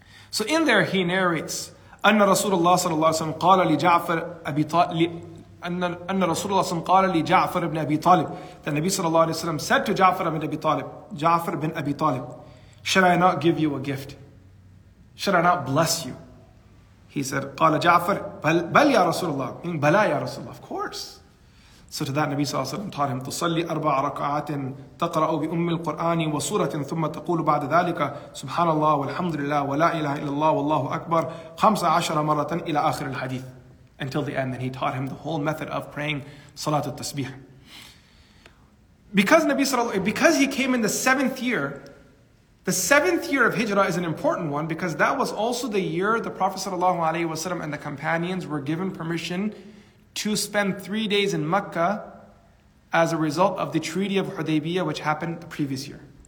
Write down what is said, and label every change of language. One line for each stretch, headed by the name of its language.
English: So in there he narrates, Ja'far ibn Abi Talib said to Ja'far ibn Abi Talib, should I not give you a gift? Should I not bless you? He said, قال Ja'far,
Arabic: بل يا رسول الله,
English: meaning
Arabic: بلا يا رسول الله,
English: of course. So to that, Nabi sallallahu alayhi wa sallam taught him,
Arabic: تصلي أربع ركعات تقرأ بأم القرآن وسورة ثم تقول بعد ذلك سبحان الله والحمد لله ولا إله إلا الله والله أكبر 15 مرة إلى آخر الحديث.
English: Until the end, then he taught him the whole method of praying Salat al-Tasbih. Because he came in the seventh year The seventh year of Hijrah is an important one because that was also the year the Prophet sallallahu alaihi wasallam and the companions were given permission to spend 3 days in Mecca as a result of the Treaty of Hudaybiyah, which happened the previous year.